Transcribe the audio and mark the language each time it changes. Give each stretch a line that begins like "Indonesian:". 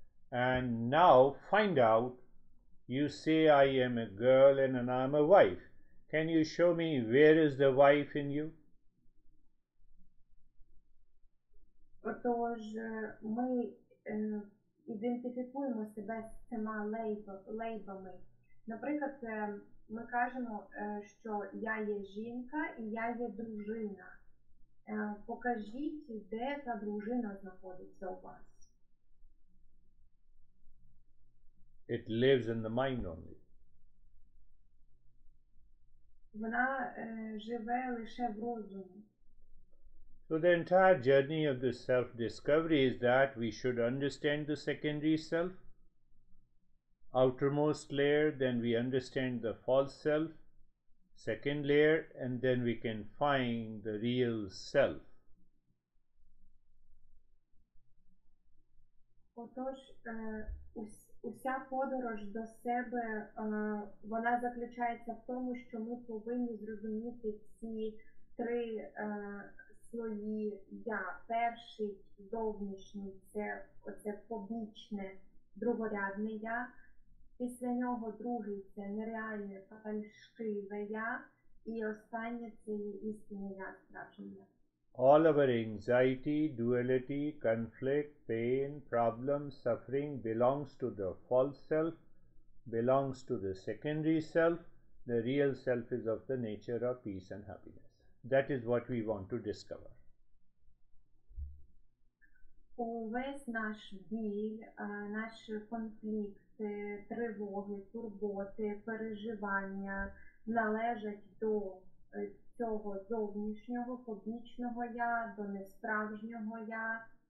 English: And now find out, you say I am a girl and I am a wife. Can you show me where is the wife in you?
Ukrainian: Отож, ми ідентифікуємо себе з цими лейбами. Наприклад, ми кажемо, що я є жінка і я є дружина. Покажіть, де ця дружина знаходиться у вас.
English: It lives in the mind only.
Ukrainian: Вона живе лише в розумі.
English: So the entire journey of the self-discovery is that we should understand the secondary self, outermost layer, then we understand the false self, second layer, and then we can find the real self.
Ukrainian: Отож, уся подорож до себе, вона заключається в тому, що ми повинні зрозуміти ці три слої «я». Перший, зовнішній, це побічне, другорядне «я». Після нього другий – це нереальне, фальшиве «я», і останнє – це істинне «я», справжнє.
English: All our anxiety, duality, conflict, pain, problem, suffering belongs to the false self, belongs to the secondary self. The real self is of the nature of peace and happiness. That is what we want to discover.
Ukrainian: Увесь наш біль, наш конфлікт, тривоги, турботи, переживання належать до цього зовнішнього, побічного «я», до несправжнього «я».